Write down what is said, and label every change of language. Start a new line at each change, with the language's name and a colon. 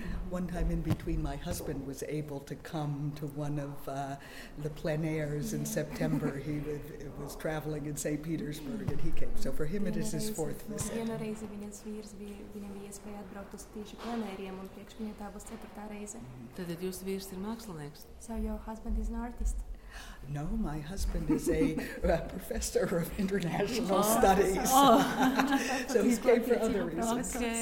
English: One time in between, my husband was able to come to one of the plein airs in September. He was traveling in St. Petersburg, and he came. So for him, it is his fourth visit.
Latvian: Viena reize viņas vīrs viņam bija iespēja atbraukt uz tieši plein airiem, un priekš viņai tā būs ceturtā reize. Tad jūsu vīrs ir mākslinieks?
English: So your husband is an artist? No, my husband is a professor of international studies. So he came for other reasons.